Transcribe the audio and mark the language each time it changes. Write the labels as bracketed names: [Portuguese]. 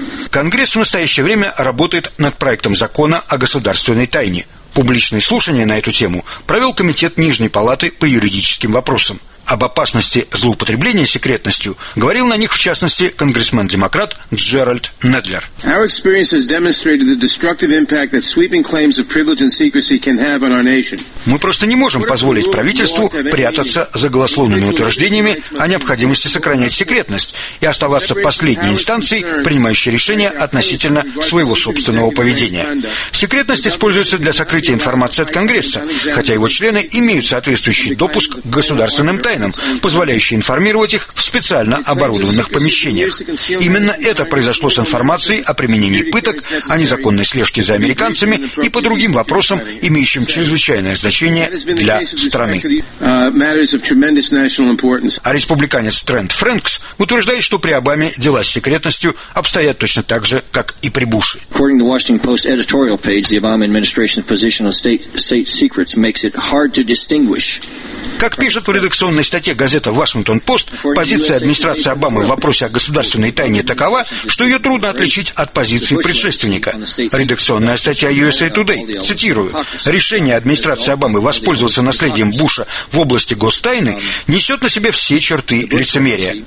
[Russian] Конгресс в настоящее время работает над проектом закона о государственной тайне. Публичные слушания на эту тему провел Комитет Нижней Палаты по юридическим вопросам. Об опасности злоупотребления секретностью говорил на них, в частности, конгрессмен-демократ Джеральд Недлер. [English] Our experience has demonstrated the destructive impact that sweeping claims of privilege and secrecy can have on our nation. [Russian] Мы просто не можем позволить правительству прятаться за голословными утверждениями о необходимости сохранять секретность и оставаться последней инстанцией, принимающей решения относительно своего собственного поведения. Секретность используется для сокрытия информации от Конгресса, хотя его члены имеют соответствующий допуск к государственным тайнам, позволяющий информировать их в специально оборудованных помещениях. Именно это произошло с информацией о применении пыток, о незаконной слежке за американцами и по другим вопросам, имеющим чрезвычайное значение для страны. А республиканец Трент Фрэнкс утверждает, что при Обаме дела с секретностью обстоят точно так же, как и при Буше. [English] According to the Washington Post editorial page, the Obama administration's position on state secrets makes it hard to distinguish. [Russian] Как пишет в редакционной статье газета «Вашингтон Пост», позиция администрации Обамы в вопросе о государственной тайне такова, что ее трудно отличить от позиции предшественника. Редакционная статья USA Today, цитирую, «Решение администрации Обамы воспользоваться наследием Буша в области гостайны несет на себе все черты лицемерия».